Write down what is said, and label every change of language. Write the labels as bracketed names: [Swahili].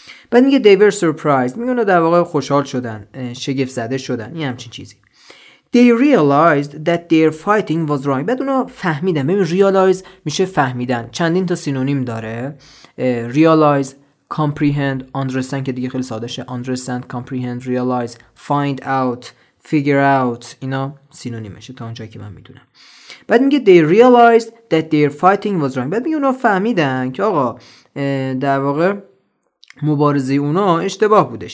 [Persian] بعد میگه [English] they were surprised، [Persian] میگه اونا در واقع خوشحال شدن، شگفت زده شدن، این همچین چیزی. [English] They realized that their fighting was wrong. [Persian] بعد اونا فهمیدن. ببین realize میشه فهمیدن. چندین تا سینونیم داره. [English] Realize، comprehend، understand [Persian] که دیگه خیلی ساده شه. [English] Understand، comprehend، realize، find out، figure out. [Persian] اینا سینونیم شه تا اونجایی که من میدونم. بعد میگه [English] they realized that their fighting was wrong. [Persian] بعد میگه اونا فهمیدن که آقا در واقع مبارزه اونا اشتباه بودش.